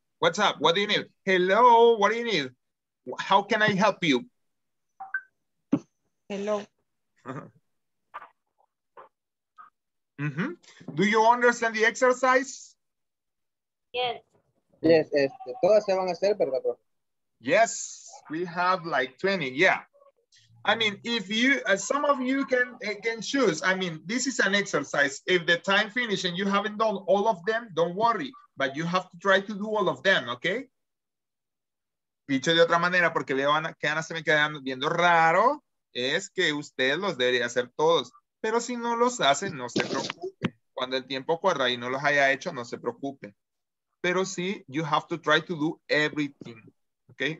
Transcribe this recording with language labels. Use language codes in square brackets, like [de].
[en] What's up? What do you need? Hello, what do you need? How can I help you? Hello. Do you understand the exercise? Yes. [es] Yes, todas se van a hacer, ¿verdad, profe? [en] Yes, we have like 20, yeah. I mean, if you, some of you can choose. I mean, this is an exercise. If the time finishes and you haven't done all of them, don't worry. But you have to try to do all of them, okay? [es] Dicho de otra manera, porque veo que Ana se me quedan viendo raro, es que usted los debería hacer todos. Pero si no los hace, no se preocupe. Cuando el tiempo corra y no los haya hecho, no se preocupe. Pero sí, [en] you have to try to do everything, okay?